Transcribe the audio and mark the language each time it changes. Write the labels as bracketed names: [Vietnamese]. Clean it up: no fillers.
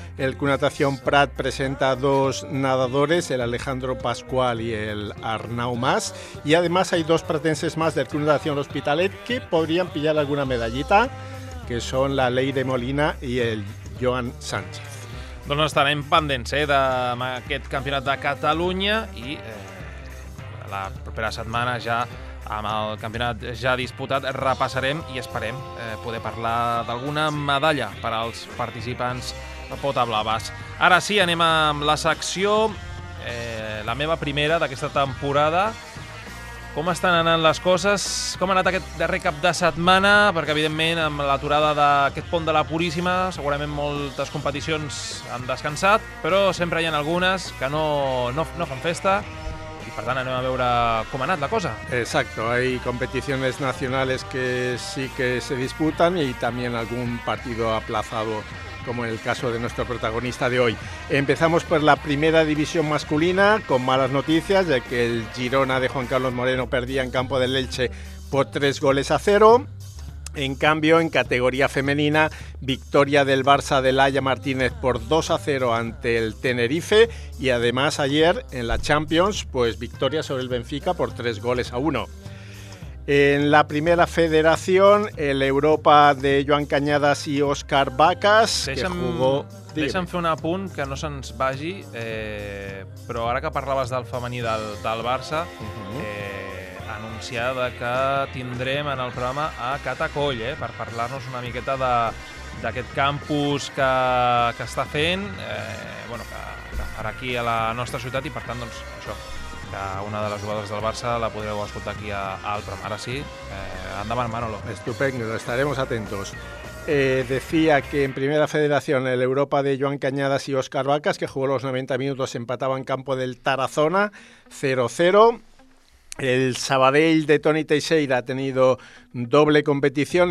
[Spanish] El Club Natación Prat presenta dos nadadores, el Alejandro Pascual y el Arnau Mas. Y además hay dos pretenses más del Club Natación Hospitalet que podrían pillar alguna medallita, que son la Leire Molina y el Joan Sánchez. [Catalan] Doncs estarem pendents d'aquest Campionat de Catalunya i la propera setmana ja, amb el campionat ja disputat, repassarem i esperem poder parlar d'alguna medalla per als participants potablaves. Ara sí, anem amb la secció, la meva primera d'aquesta temporada. Com estan anant les coses? Com ha anat aquest darrer cap de setmana? Perquè, evidentment, amb l'aturada d'aquest pont de la Puríssima, segurament moltes competicions han descansat, però sempre hi ha algunes que no fan festa. Per tant, anem a veure com ha anat la cosa. [Spanish] Exacto, hay competiciones nacionales que sí que se disputan y también algún partido aplazado, como en el caso de nuestro protagonista de hoy. Empezamos por la primera división masculina, con malas noticias, ya que el Girona de Juan Carlos Moreno perdía en campo del Elche por 3-0. En cambio, en categoría femenina, victoria del Barça de Laia Martínez por 2-0 ante el Tenerife. Y además ayer en la Champions, pues victoria sobre el Benfica por 3-1. En la primera federación, el Europa de Joan Cañadas y Óscar Vacas, [Catalan] Deixa'm fer un apunt que no se'ns vagi, però ara que parlaves del femení del Barça, anunciada que tindrem en el programa a Cata Coll, per parlar-nos una miqueta d'aquest campus que està fent, que farà aquí a la nostra ciutat i, per tant, doncs, això, que una de les jugadores del Barça la podreu escoltar aquí al programa. Ara sí, endavant, Manolo. [Spanish] Estupendo, estaremos atentos. Decía que en primera federación el Europa de Joan Cañadas y Óscar Vacas, que jugó los 90 minutos, empataba en campo del Tarazona 0-0. El Sabadell de Toni Teixeira ha tenido doble competición.